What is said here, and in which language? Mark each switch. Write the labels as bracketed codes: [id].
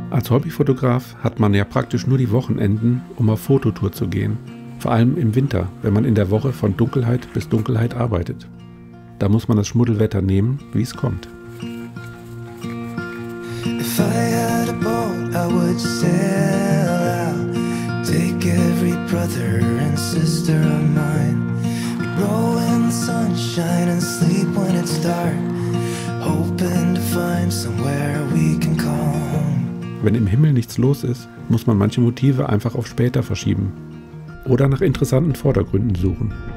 [de] Hobbyfotograf hat man ja praktisch nur die Wochenenden, um auf Fototour zu gehen. Vor allem im Winter, wenn man in der Woche von Dunkelheit bis Dunkelheit arbeitet. Da muss man das Schmuddelwetter nehmen, wie es kommt. [en] If I had a boat, I would sail out. Take every brother and sister of mine. We'd roll in the sunshine and sleep when it's dark. Hoping to find somewhere we can call home. [de] Wenn im Himmel nichts los ist, muss man manche Motive einfach auf später verschieben. Oder nach interessanten Vordergründen suchen.